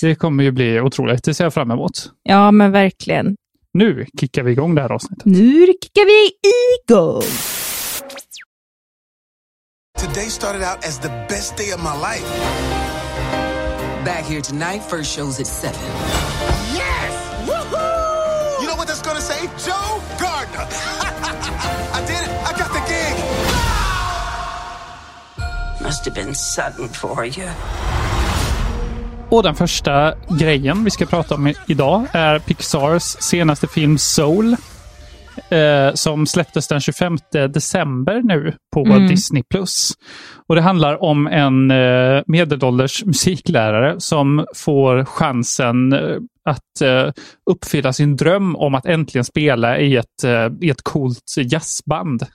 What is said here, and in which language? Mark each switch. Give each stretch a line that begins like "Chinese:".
Swedish: Det kommer ju bli otroligt. Det ser jag fram emot. Ja, men verkligen. Nu kickar vi igång det här avsnittet. Nu kickar vi igång!
English: Today started out as the best day of my life. Back here tonight, first show's at 7. Yes! Woohoo! You know what that's gonna say? Joe Gardner! I did it! I got the gig! Must have been sudden for you.
Swedish: Och den första grejen vi ska prata om idag är Pixars senaste film Soul, som släpptes den 25 december nu på Disney+. Och det handlar om en medelålders musiklärare som får chansen att uppfylla sin dröm om att äntligen spela i ett coolt jazzband.